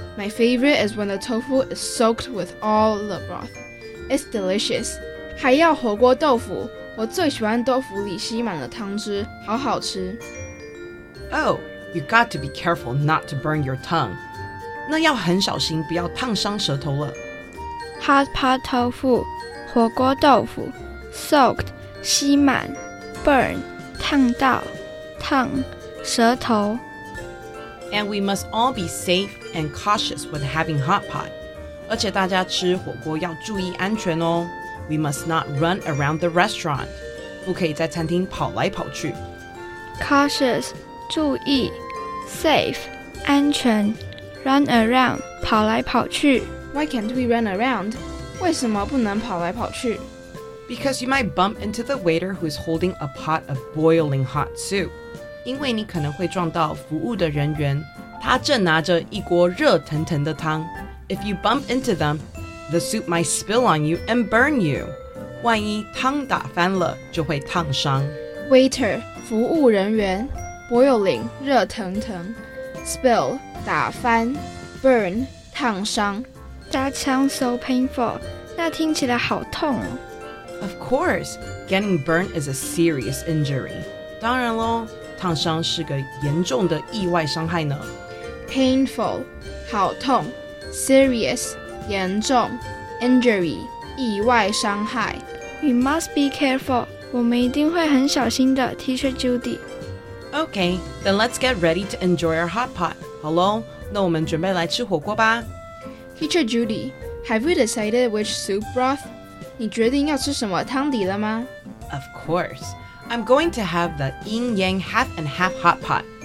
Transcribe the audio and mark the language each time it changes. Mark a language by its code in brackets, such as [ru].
[en] My favorite is when the tofu is soaked with all the broth. It's delicious. [zh] 还要火锅豆腐，我最喜欢豆腐里吸满了汤汁，好好吃。 [en] Oh, you got to be careful not to burn your tongue. [zh] 那要很小心，不要烫伤舌头了。 [en] Hot pot tofu, [zh] 火锅豆腐 soaked, 吸满 burn, 烫到烫舌头。 [en] And we must all be safe and cautious when having hot pot. [zh] 而且大家吃火锅要注意安全哦。 [en] We must not run around the restaurant. [zh] 不可以在餐厅跑来跑去。 Cautious, 注意 safe, 安全 [en] run around, [zh] 跑来跑去。 [en] Why can't we run around? [zh] 为什么不能跑来跑去？ [en] Because you might bump into the waiter who is holding a pot of boiling hot soup. [zh] 因为你可能会撞到服务的人员，他正拿着一锅热腾腾的汤。 [en] If you bump into them, the soup might spill on you and burn you. [zh] 万一汤打翻了，就会烫伤。 [en] Waiter, [zh] 服务人员 ，boiling, 热腾腾 ，spill, 打翻 ，burn, 烫伤。 [en] That sounds so painful. [zh] 那听起来好痛。 [en] Of course, getting burned is a serious injury. [zh] 当然咯。烫伤是个严重的意外伤害呢。 Painful, 好痛。Serious, 严重。 Injury, 意外伤害。 [en] We must be careful. [zh] 我们一定会很小心的 [en] ,Teacher Judy. Okay, then let's get ready to enjoy our hot pot. [zh] 好咯，那我们准备来吃火锅吧。 [en] Teacher Judy, have we decided which soup broth? [zh] 你决定要吃什么汤底了吗？ [en] Of course. I'm going to have the yin yang half and half hot pot.